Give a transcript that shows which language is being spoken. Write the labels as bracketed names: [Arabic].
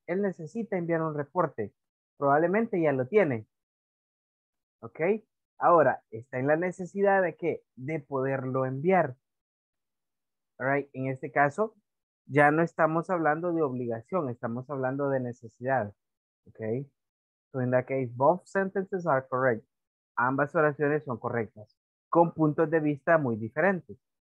[Spanish] Él necesita enviar un reporte. Probablemente ya lo tiene. Ok, ahora está en la necesidad de que de poderlo enviar. All right, en este caso ya no estamos hablando de obligación, estamos hablando de necesidad. [English] Ok, so in that case, both sentences are correct. [Spanish] Ambas oraciones son correctas, con puntos de vista muy diferentes.